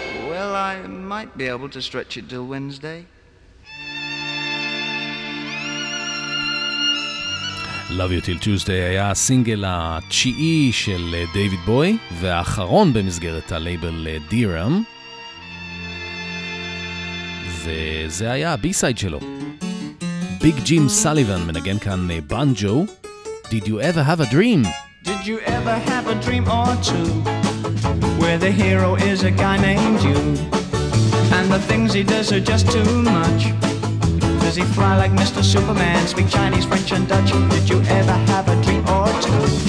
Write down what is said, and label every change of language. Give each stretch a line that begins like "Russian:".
English: Well, I might be able to stretch it till Wednesday.
Hebrew: Love You Till Tuesday היה הסינגל התשיעי של דייוויד בוי, והאחרון במסגרת הלייבל דירם, וזה היה הבי-סייד שלו. ביג ג'ים סליבן מנגן כאן בנג'ו.
English: Did you ever have a dream? Did you ever have a dream or two, where the hero is a guy named you, and the things he does are just too much. Does he fly like Mr. Superman, speak Chinese, French and Dutch? Did you ever have a dream or two?